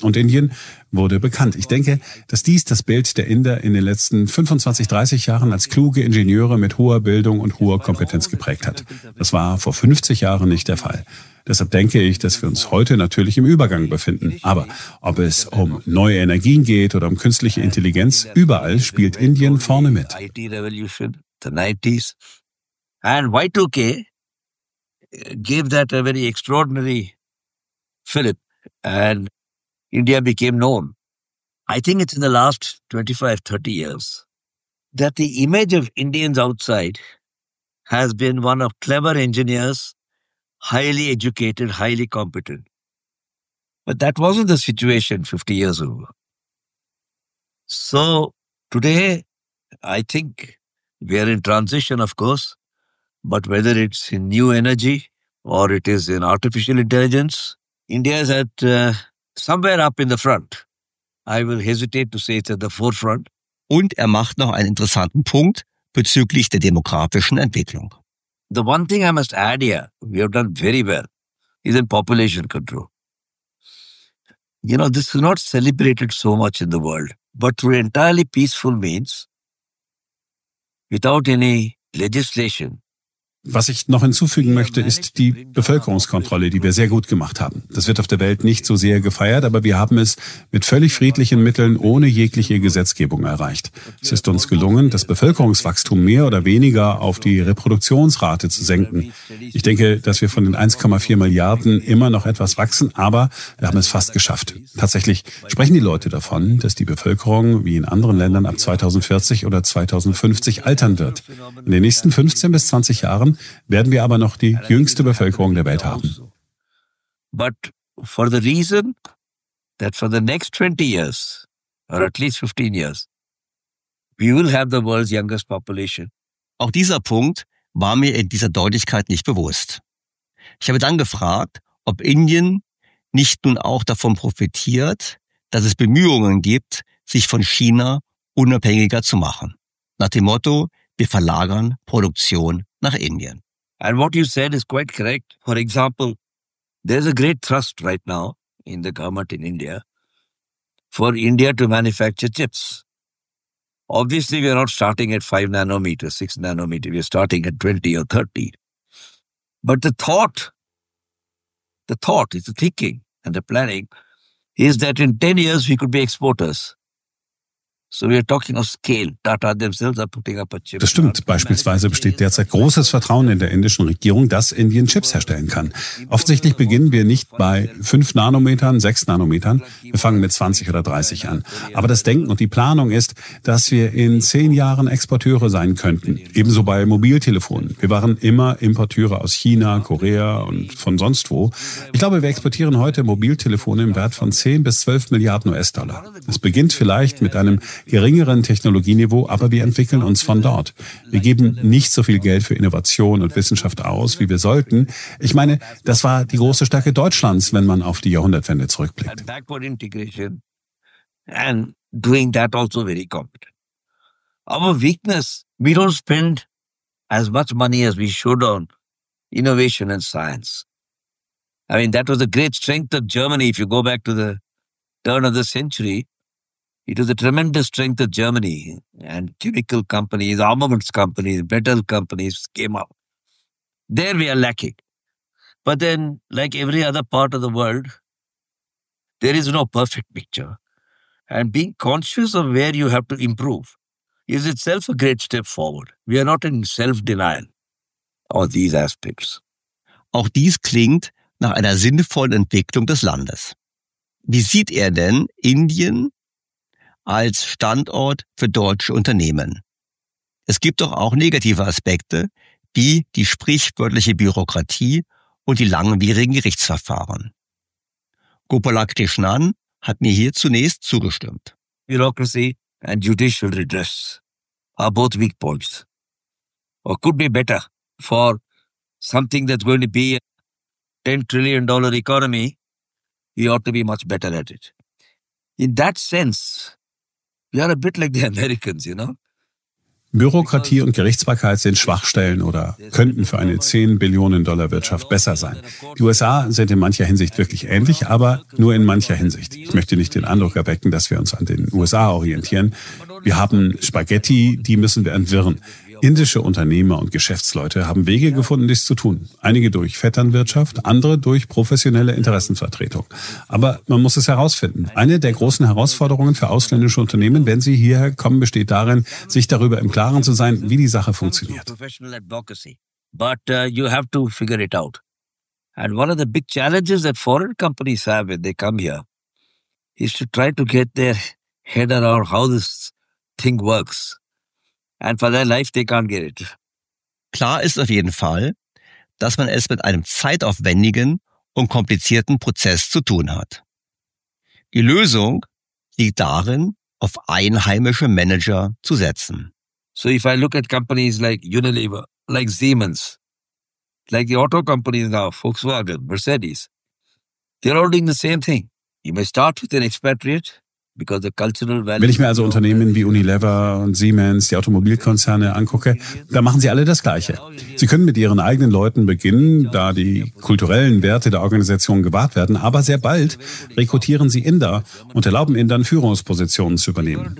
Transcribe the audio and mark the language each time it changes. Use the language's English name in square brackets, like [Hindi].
[German] Und Indien wurde bekannt. Ich denke, dass dies das Bild der Inder in den letzten 25, 30 Jahren als kluge Ingenieure mit hoher Bildung und hoher Kompetenz geprägt hat. Das war vor 50 Jahren nicht der Fall. Deshalb denke ich, dass wir uns heute natürlich im Übergang befinden. Aber ob es um neue Energien geht oder um künstliche Intelligenz, überall spielt Indien vorne mit. [English] IT-Revolution, the 90s. And Y2K gave that a very extraordinary fillip. And India became known. I think it's in the last 25, 30 years that the image of Indians outside has been one of clever engineers, highly educated, highly competent. But that wasn't the situation 50 years ago. So today, I think We are in transition, of course, but whether it's in new energy or it is in artificial intelligence, India is at somewhere up in the front. I will hesitate to say it's at the forefront. [German] Und macht noch einen interessanten Punkt bezüglich der demografischen Entwicklung. [English] The one thing I must add here, we have done very well, is in population control. You know, this is not celebrated so much in the world, but through entirely peaceful means, without any legislation. [German] Was ich noch hinzufügen möchte, ist die Bevölkerungskontrolle, die wir sehr gut gemacht haben. Das wird auf der Welt nicht so sehr gefeiert, aber wir haben es mit völlig friedlichen Mitteln ohne jegliche Gesetzgebung erreicht. Es ist uns gelungen, das Bevölkerungswachstum mehr oder weniger auf die Reproduktionsrate zu senken. Ich denke, dass wir von den 1,4 Milliarden immer noch etwas wachsen, aber wir haben es fast geschafft. Tatsächlich sprechen die Leute davon, dass die Bevölkerung wie in anderen Ländern ab 2040 oder 2050 altern wird. In den nächsten 15 bis 20 Jahren werden wir aber noch die jüngste Bevölkerung der Welt haben. [English] But for the reason that for the next 20 years or at least 15 years we will have the world's youngest population. [German] Auch dieser Punkt war mir in dieser Deutlichkeit nicht bewusst. Ich habe dann gefragt, ob Indien nicht nun auch davon profitiert, dass es Bemühungen gibt, sich von China unabhängiger zu machen. Nach dem Motto, wir verlagern Produktion nach Indien. [English] And what you said is quite correct. For example, there's a great thrust right now in the government in India for India to manufacture chips. Obviously, we are not starting at 5 nanometer, 6 nanometer. We are starting at 20 or 30. But the thought is the thinking and the planning is that in 10 years, we could be exporters. So we are talking of scale. Tata themselves are putting up a chip. [German] Das stimmt. Beispielsweise besteht derzeit großes Vertrauen in der indischen Regierung, dass Indien Chips herstellen kann. Offensichtlich beginnen wir nicht bei 5 Nanometern, 6 Nanometern. Wir fangen mit 20 oder 30 an. Aber das Denken und die Planung ist, dass wir in 10 Jahren Exporteure sein könnten. Ebenso bei Mobiltelefonen. Wir waren immer Importeure aus China, Korea und von sonst wo. Ich glaube, wir exportieren heute Mobiltelefone im Wert von 10 bis 12 Milliarden US-Dollar. Es beginnt vielleicht mit einem geringeren Technologieniveau, aber wir entwickeln uns von dort. Wir geben nicht so viel Geld für Innovation und Wissenschaft aus, wie wir sollten. Ich meine, das war die große Stärke Deutschlands, wenn man auf die Jahrhundertwende zurückblickt. [English] Backward integration and doing that also very competent. Our weakness, we don't spend as much money as we should on innovation and science. I mean, that was the great strength of Germany, if you go back to the turn of the century. It was a tremendous strength of Germany and chemical companies, armaments companies, metal companies came up. There we are lacking. But then, like every other part of the world, there is no perfect picture. And being conscious of where you have to improve is itself a great step forward. We are not in self-denial on these aspects. [German] Auch dies klingt nach einer sinnvollen Entwicklung des Landes. Wie sieht denn Indien als Standort für deutsche Unternehmen? Es gibt doch auch negative Aspekte, wie die sprichwörtliche Bürokratie und die langwierigen Gerichtsverfahren. Gopala Krishnan hat mir hier zunächst zugestimmt. [English] Bureaucracy and judicial redress are both weak points. Or could be better for something that's going to be a $10 trillion economy. We ought to be much better at it. In that sense, we are a bit like the Americans, you know? [German] Bürokratie und Gerichtsbarkeit sind Schwachstellen oder könnten für eine 10 Billionen Dollar Wirtschaft besser sein. Die USA sind in mancher Hinsicht wirklich ähnlich, aber nur in mancher Hinsicht. Ich möchte nicht den Eindruck erwecken, dass wir uns an den USA orientieren. Wir haben Spaghetti, die müssen wir entwirren. Indische Unternehmer und Geschäftsleute haben Wege gefunden, dies zu tun. Einige durch Vetternwirtschaft, andere durch professionelle Interessenvertretung. Aber man muss es herausfinden. Eine der großen Herausforderungen für ausländische Unternehmen, wenn sie hierher kommen, besteht darin, sich darüber im Klaren zu sein, wie die Sache funktioniert. [English] But you have to figure it out. And one of the big challenges that foreign companies have when they come here is to try to get their head around how this thing works. And for their life, they can't get it. [German] Klar ist auf jeden Fall, dass man es mit einem zeitaufwendigen und komplizierten Prozess zu tun hat. Die Lösung liegt darin, auf einheimische Manager zu setzen. [English] So if I look at companies like Unilever, like Siemens, like the auto companies now, Volkswagen, Mercedes, they're all doing the same thing. You may start with an expatriate, because the cultural value. [German] Wenn ich mir also Unternehmen wie Unilever und Siemens, die Automobilkonzerne angucke, da machen sie alle das Gleiche. Sie können mit ihren eigenen Leuten beginnen, da die kulturellen Werte der Organisation gewahrt werden, aber sehr bald rekrutieren sie Inder und erlauben Indern, Führungspositionen zu übernehmen.